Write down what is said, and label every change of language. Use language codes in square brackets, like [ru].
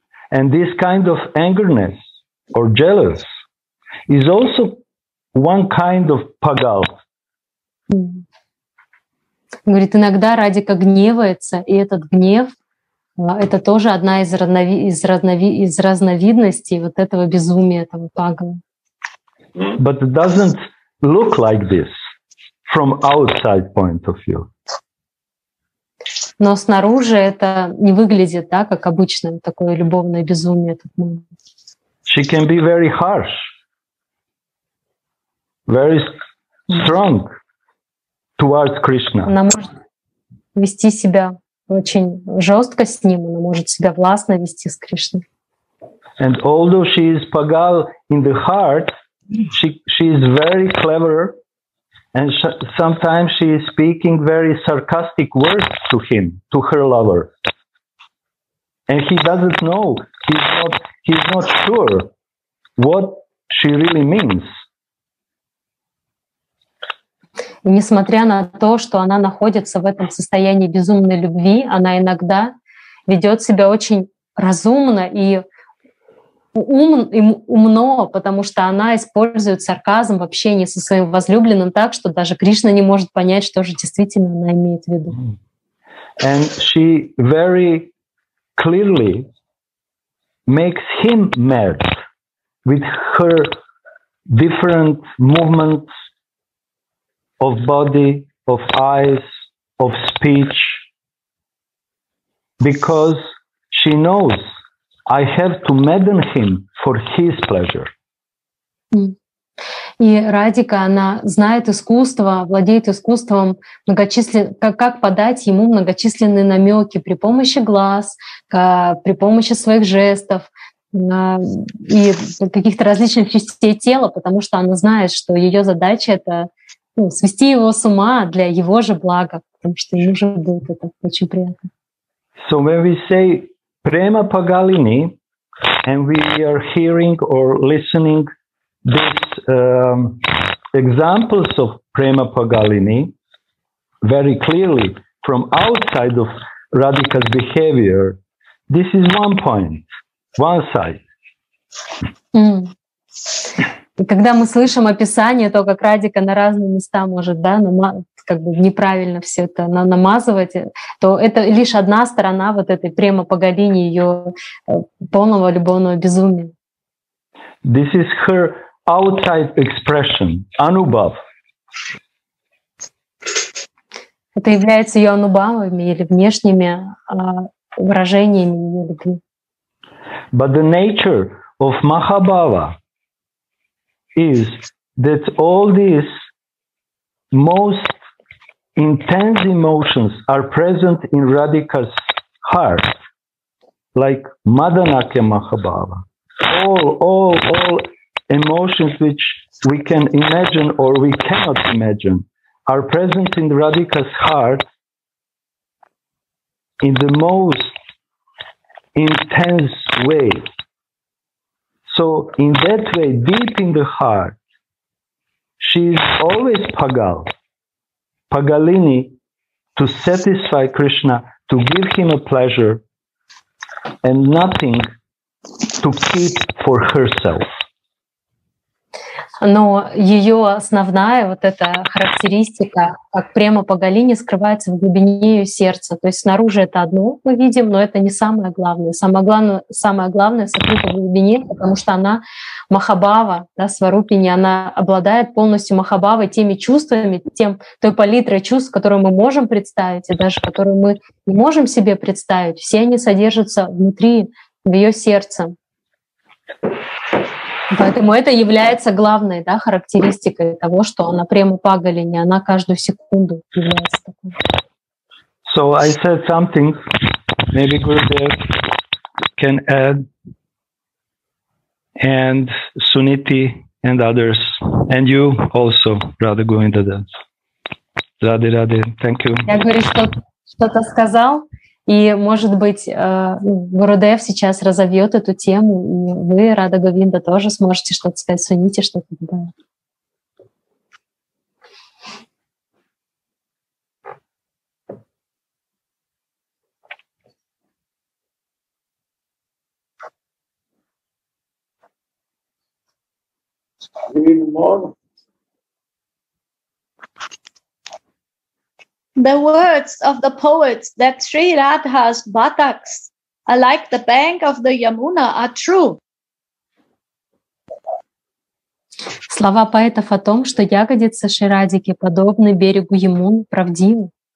[en] And this kind of angerness or jealous is also one kind of pagal. [ru] Говорит, иногда Радика гневается, и этот гнев — это тоже одна из, из разновидностей вот этого безумия, этого пагала. [en] But it doesn't look like this from outside point of view. [ru] Но снаружи это не выглядит, да, как обычное такое любовное безумие. [en] She can be very harsh, very strong towards Krishna. [ru] Она может вести себя очень жестко с ним, она может себя властно вести с Кришной. [en] And although she is pagal in the heart, she is very clever. And sometimes she is speaking very sarcastic words to him, to her lover. And he doesn't know, he's not sure what she really means. [ru] И несмотря на то, что она находится в этом состоянии безумной любви, она иногда ведет себя очень разумно и умно, потому что она использует сарказм в общении со своим возлюбленным так, что даже Кришна не может понять, что же действительно она имеет в виду. [en] And she very clearly makes him mad with her different movements of body, of eyes, of speech, because she knows I have to madden him for his pleasure. [ru] И Радика, она знает искусство, владеет искусством как подать ему многочисленные намеки при помощи глаз, при помощи своих жестов и каких-то различных частей тела, потому что она знает, что ее задача — это свести его с ума для его же блага, потому что ему же будет это очень приятно. [en] So when we say Prema Pagalini, and we are hearing or listening these examples of Prema Pagalini very clearly from outside of Radhika's behavior, this is one point, one side. [ru] И когда мы слышим описание, то как Радика на разные места может, да, неправильно все это намазывать, то это лишь одна сторона вот этой према Пагалини, ее полного любовного безумия. [en] This is her outside expression, anubhav. [ru] Это является ее анубавами или внешними выражениями ее любви. [en] But the nature of Mahabhava is that all these most intense emotions are present in Radhika's heart, like Madanakya Mahabhava. All emotions which we can imagine or we cannot imagine are present in Radhika's heart in the most intense way. So in that way, deep in the heart, she is always pagal, pagalini, to satisfy Krishna, to give him a pleasure, and nothing to keep for herself. [ru] Но ее основная вот эта характеристика, как према Пагалини, скрывается в глубине ее сердца. То есть снаружи это одно мы видим, но это не самое главное. Самое главное сокрыто в глубине, потому что она Махабава, да, Сварупини, она обладает полностью Махабавой, теми чувствами, той палитрой чувств, которую мы можем представить, и даже которую мы не можем себе представить. Все они содержатся внутри, в ее сердце. Поэтому это является главной, да, характеристикой того, что она премупагалини, она каждую секунду является такой. [en] So I said something, maybe Gurudev can add, and Suniti and others, and you also, Radha Govindada. Radha, Radha, thank you. [ru] Я говорю, что-то сказал, и, может быть, Гурудев сейчас разовьет эту тему, и вы, Радха Говинда, тоже сможете что-то сказать, Суните, что-то добавить. [en] The words of the poets that Sri Radha's buttocks are like the bank of the Yamuna are true. [ru] Слова поэтов о том, что ягодицы Шри Радхики подобны берегу Ямуны, правдивы.